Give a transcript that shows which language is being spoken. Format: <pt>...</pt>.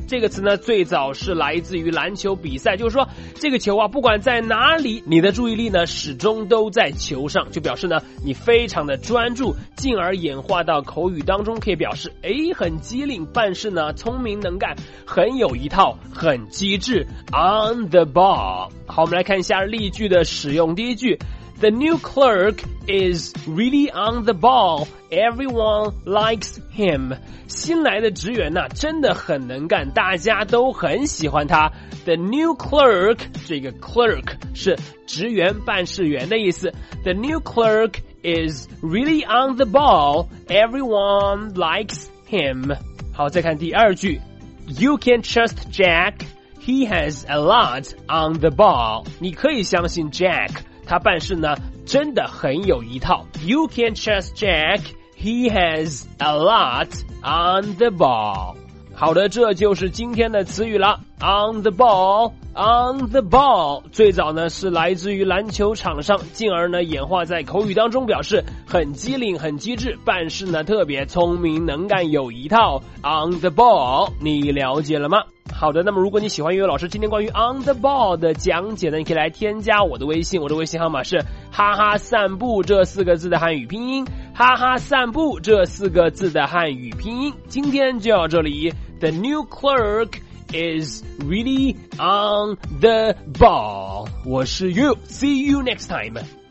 <zh>这个词呢，最早是来自于篮球比赛，就是说这个球啊，不管在哪里，你的注意力呢始终都在球上，就表示呢你非常的专注，进而演化到口语当中，可以表示哎，很机灵，办事呢聪明能干，很有一套，很机智。</zh> <en>On the ball。</en> <zh>好，我们来看一下例句的使用。第一句，</zh> <en>The new clerk is really on the ball. Everyone likes him.</en> <zh>新来的职员呢，真的很能干，大家都很喜欢他。</zh> <en>The new clerk,</en> <zh>这个 clerk 是职员、办事员的意思。</zh> <en>The new clerk is really on the ball. Everyone likes him.</en> <zh>好，再看第二句。</zh> <en>You can trust Jack. He has a lot on the ball.</en> <zh>你可以相信 Jack, 他办事呢真的很有一套。</zh> <en>You can trust Jack, he has a lot on the ball。</en> <zh>好的，这就是今天的词语了。On the ball, on the ball 最早呢是来自于篮球场上，进而呢演化在口语当中，表示很机灵、很机智，办事呢特别聪明、能干、有一套。</zh> <en>On the ball,</en> <zh>你了解了吗？好的，那么如果你喜欢悠悠老师今天关于 on the ball 的讲解呢，你可以来添加我的微信，我的微信号码是哈哈散步这四个字的汉语拼音，哈哈散步这四个字的汉语拼音。今天就到这里，</zh> <en>The new clerk is really on the ball。</en> <zh>我是悠悠，</zh> <en>See you next time。</en>